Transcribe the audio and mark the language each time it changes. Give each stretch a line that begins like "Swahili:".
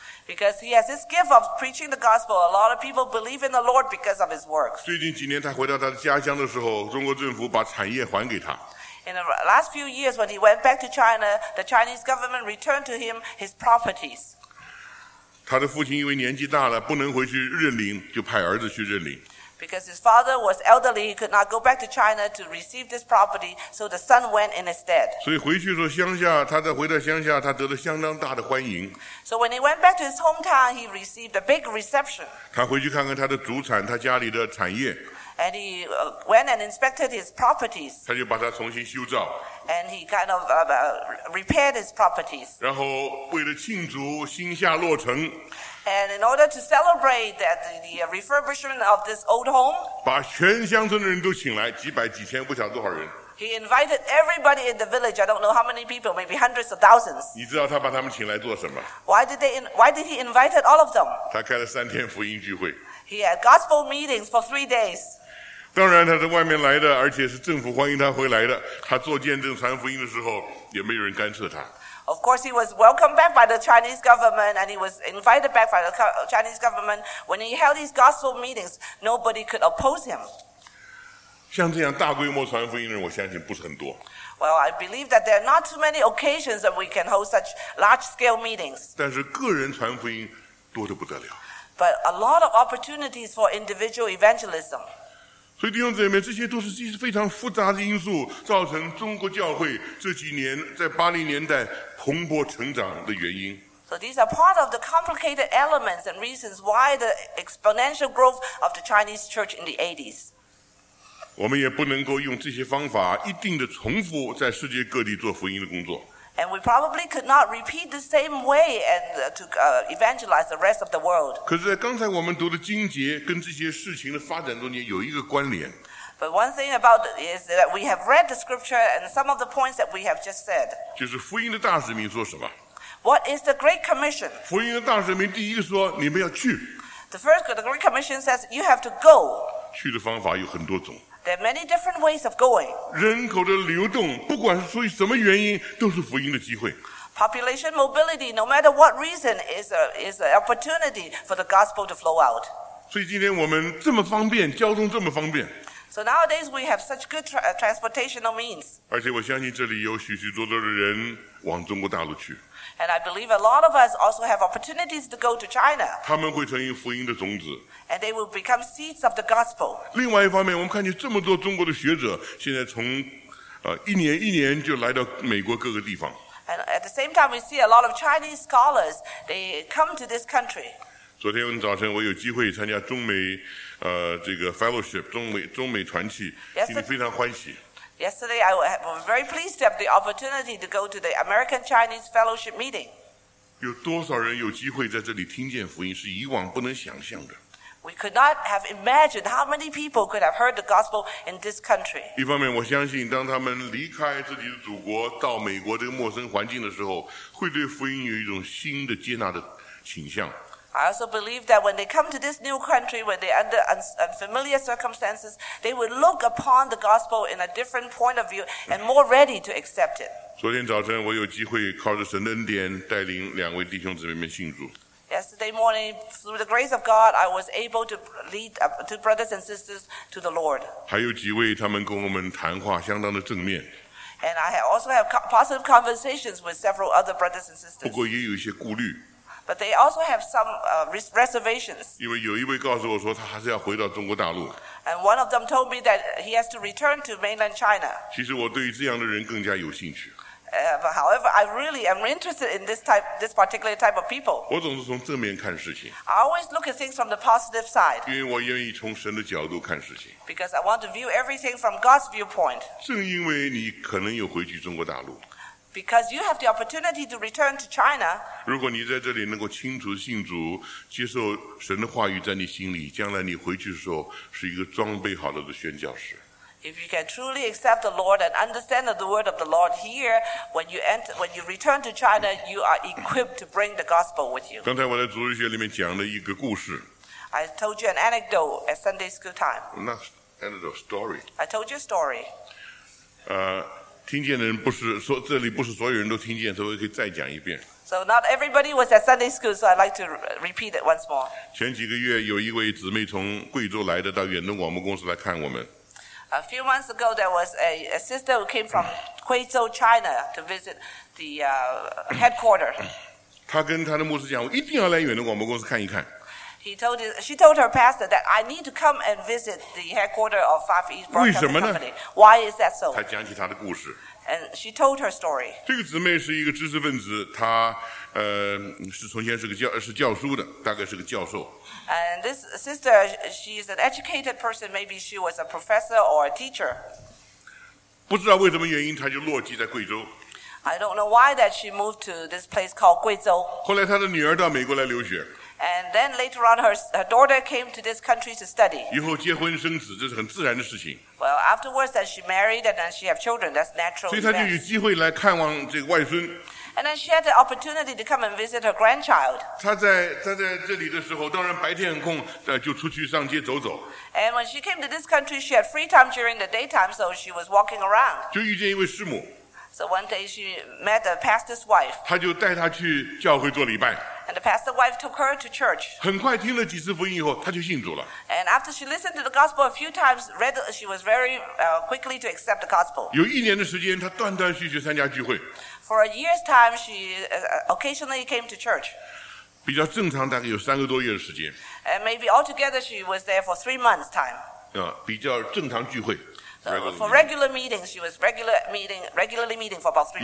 English: Because he has this gift of preaching the gospel, a lot of people believe in the Lord because of his work.
Chinese: 最近几年他回到他的家乡的时候，中国政府把产业还给他。
English: In the last few years, when he went back to China, the Chinese government returned to him his properties.
Chinese: 他的父亲因为年纪大了，不能回去认领，就派儿子去认领。
English: Because his father was elderly, he could not go back to China to receive this property, so the son went in his stead.
Chinese: 所以回去说乡下，他在回到乡下，他得了相当大的欢迎。
English: So when he went back to his hometown, he received a big reception.
Chinese: 他回去看看他的祖产，他家里的产业。
English: And he went and inspected his properties.
Chinese: 他就把它重新修造。
English: And he kind of repaired his properties.
Chinese: 然后为了庆祝新下落成。
English: And in order to celebrate that the refurbishment of this old home,
Chinese: 把全乡村的人都请来，几百几千不晓得多少人。
English: He invited everybody in the village. I don't know how many people, maybe hundreds of thousands.
Chinese: 你知道他把他们请来做什么？
English: Why did he invite all of them?
Chinese: 他开了三天福音聚会。
English: He had gospel meetings for 3 days.
Chinese: 当然他是外面来的，而且是政府欢迎他回来的。他做见证传福音的时候，也没有人干涉他。
English: Of course, he was welcomed back by the Chinese government, and he was invited back by the Chinese government. When he held these gospel meetings, nobody could oppose him.
Chinese: 像这样大规模传福音的人，我相信不是很多。
English: Well, I believe that there are not too many occasions that we can hold such large-scale meetings.
Chinese: 但是个人传福音多得不得了。
English: But a lot of opportunities for individual evangelism.
Chinese: 所以弟兄姊妹，这些都是一些非常复杂的因素，造成中国教会这几年在80年代蓬勃成长的原因。
English: So these are part of the complicated elements and reasons why the exponential growth of the Chinese church in the 80s.
Chinese: 我们也不能够用这些方法一定的重复在世界各地做福音的工作。
English: And we probably could not repeat the same way and to evangelize the rest of the world.
Chinese: 可是刚才我们读的经节跟这些事情的发展中间有一个关联。
English: But one thing about it is that we have read the scripture and some of the points that we have just said.
Chinese: 就是福音的大使命说什么？
English: What is the Great Commission?
Chinese: 福音的大使命第一个说你们要去。
English: The Great Commission says you have to go.
Chinese: 去的方法有很多种。
English: There are many different ways of going.
Chinese: 人口的流动，不管是出于什么原因，都是福音的机会。
English: Population mobility, no matter what reason, is an opportunity for the gospel to flow out.
Chinese: 所以今天我们这么方便，交通这么方便。
English: So nowadays we have such good transportational means.
Chinese: 而且我相信这里有许许多多的人往中国大陆去。
English: And I believe a lot of us also have opportunities to go to China.
Chinese: 他们会成为福音的种子。
English: And they will become seeds of the gospel.
Chinese: 另外一方面，我们看见这么多中国的学者现在从一年一年就来到美国各个地方。
English: And at the same time, we see a lot of Chinese scholars. They come to this country.
Chinese: 昨天早晨我有机会参加中美这个 fellowship 中美团契，心里非常欢喜。
English: Yesterday, I was very pleased to have the opportunity to go to the American Chinese Fellowship meeting.
Chinese: 有多少人有机会在这里听见福音，是以往不能想象的。
English: We could not have imagined how many people could have heard the gospel in this country.
Chinese: 一方面，我相信当他们离开自己的祖国到美国这个陌生环境的时候，会对福音有一种新的接纳的倾向。
English: I also believe that when they come to this new country, when they're under unfamiliar circumstances, they will look upon the gospel in a different point of view and more ready to accept it.
Chinese: 昨天早晨我有机会靠着神的恩典带领两位弟兄姊妹们信主。
English: Yesterday morning, through the grace of God, I was able to lead two brothers and sisters to the Lord.
Chinese: 还有几位他们跟我们谈话相当的正面。
English: And I also have positive conversations with several other brothers and sisters.
Chinese: 不过也有一些顾虑。
English: But they also have some reservations.
Chinese: 因为有一位告诉我说，他还是要回到中国大陆。
English: And one of them told me that he has to return to mainland China.
Chinese: 其实我对于这样的人更加有兴趣。
English: However, I really am interested in this particular type of people.
Chinese: 我总是从正面看事情。
English: I always look at things from the positive side.
Chinese: 因为我愿意从神的角度看事情。
English: Because I want to view everything from God's viewpoint.
Chinese: 正因为你可能有回去中国大陆。
English: Because you have the opportunity to return to China.
Chinese: 如果你在这里能够清楚信主，接受神的话语在你心里，将来你回去的时候是一个装备好了的宣教士。
English: If you can truly accept the Lord and understand the word of the Lord here, when you return to China, you are equipped to bring the gospel with you.
Chinese: 刚才我在主日学里面讲了一个故事。
English: I told you an anecdote at Sunday school time. Not anecdote, story. I told you a story.
Chinese: 听见的人不是说这里不是所有人都听见，所以可以再讲一遍。
English: So not everybody was at Sunday school, so I'd like to repeat it once more.
Chinese: 前几个月有一位姊妹从贵州来的，到远东广播公司来看我们。
English: A few months ago, there was a sister who came from Guizhou, China, to visit the headquarters.
Chinese: 他跟他的牧师讲，我一定要来远东广播公司看一看。
English: He told his, she told her pastor that I need to come and visit the headquarters of Five East Broadcasting Company. Why is that so?
Chinese: 他讲起他的故事。
English: And she told her story.
Chinese: 这个姊妹是一个知识分子，她是从前是个教是教书的，大概是个教授。
English: And this sister, she is an educated person. Maybe she was a professor or a teacher.
Chinese: 不知道为什么原因，她就落籍在贵州。
English: I don't know why that she moved to this place called Guizhou.
Chinese: 后来她的女儿到美国来留学。
English: And then later on, her daughter came to this country to study.
Chinese: 以后结婚生子，这是很自然的事情。
English: Well, afterwards, then she married, and then she have children. That's natural.
Chinese: 所以她就有机会来看望这个外孙。
English: And then she had the opportunity to come and visit her grandchild.
Chinese: 她在这里的时候，当然白天很空，就出去上街走走。
English: And when she came to this country, she had free time during the daytime, so she was walking around.
Chinese: 就遇见一位师母。
English: So one day she met the pastor's wife.
Chinese: 她就带她去教会做礼拜。
English: And the pastor's wife took her to church.
Chinese: 很快听了几次福音以后，她就信主了。
English: And after she listened to the gospel a few times, she was very quickly to accept the gospel.
Chinese: 有一年的时间，她断断续续参加聚会。
English: For a year's time, she occasionally came to church.
Chinese: 比较正常，大概有三个多月的时间。
English: And maybe altogether she was there for 3 months' time.
Chinese: 比较正常聚会。
English: For regular meetings, she was regularly meeting for about 3 months.